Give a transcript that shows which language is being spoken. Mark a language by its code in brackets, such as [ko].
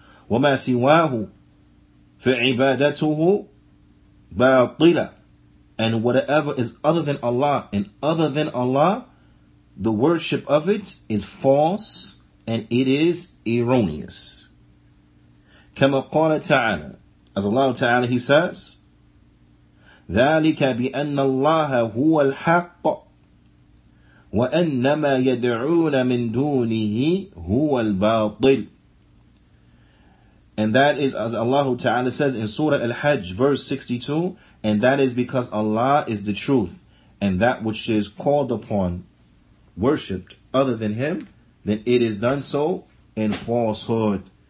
[ar] وما سواه فعبادته باطلة. [en] And whatever is other than Allah, and other than Allah, the worship of it is false and it is erroneous. [ar] كما قال تعالى. [en] As Allah ta'ala, he says, [ar] ذلك بأن الله هو الحق وأنما يدعون من دونه هو الباطل. [en] And that is, as Allah ta'ala says in Surah Al-Hajj, verse 62, and that is because Allah is the truth, and that which is called upon, worshipped other than Him, then it is done so in falsehood.